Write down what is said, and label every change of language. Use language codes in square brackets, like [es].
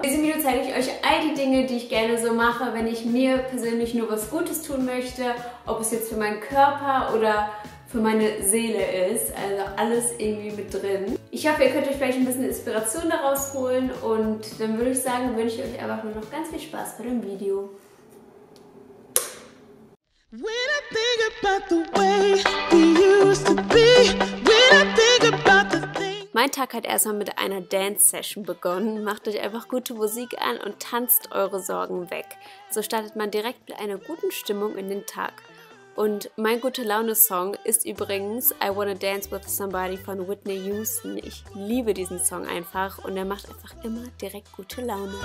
[de] In diesem Video zeige ich euch all die Dinge, die ich gerne so mache, wenn ich mir persönlich nur was Gutes tun möchte, ob es jetzt für meinen Körper oder für meine Seele ist, also alles irgendwie mit drin. Ich hoffe, ihr könnt euch vielleicht ein bisschen Inspiration daraus holen und dann würde ich sagen, wünsche ich euch einfach nur noch ganz viel Spaß bei dem Video. [en] When I think about the way we used to be, when I think about the thing. [de] Mein Tag hat erstmal mit einer Dance-Session begonnen. Macht euch einfach gute Musik an und tanzt eure Sorgen weg. So startet man direkt mit einer guten Stimmung in den Tag. Und mein Gute-Laune-Song ist übrigens I Wanna Dance With Somebody von Whitney Houston. Ich liebe diesen Song einfach und er macht einfach immer direkt gute Laune.